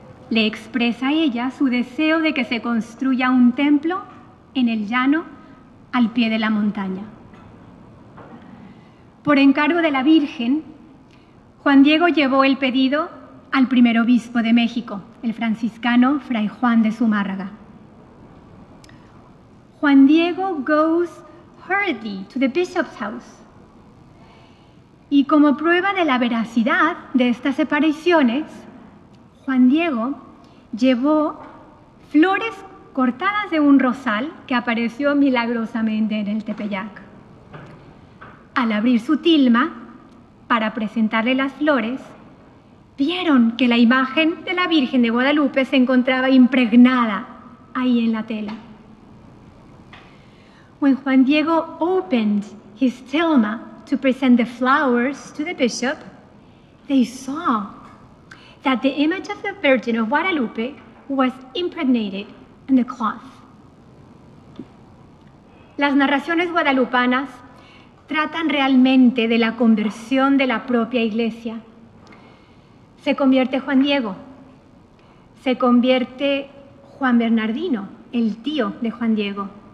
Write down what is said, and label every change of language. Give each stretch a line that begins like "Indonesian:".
Spanish: Le expresa a ella su deseo de que se construya un templo en el llano al pie de la montaña. Por encargo de la Virgen, Juan Diego llevó el pedido al primer obispo de México, el franciscano Fray Juan de Zumárraga.
English: Juan Diego goes hurriedly to the bishop's house.
Spanish: Y como prueba de la veracidad de estas apariciones, Juan Diego llevó flores cortadas de un rosal que apareció milagrosamente en el Tepeyac. Al abrir su tilma para presentarle las flores, vieron que la imagen de la Virgen de Guadalupe se encontraba impregnada ahí en la tela.
English: When Juan Diego opened his tilma to present the flowers to the bishop, they saw that the image of the Virgin of Guadalupe was impregnated in the cloth.
Spanish: Las narraciones guadalupanas tratan realmente de la conversión de la propia iglesia. Se convierte Juan Diego, se convierte Juan Bernardino, el tío de Juan Diego.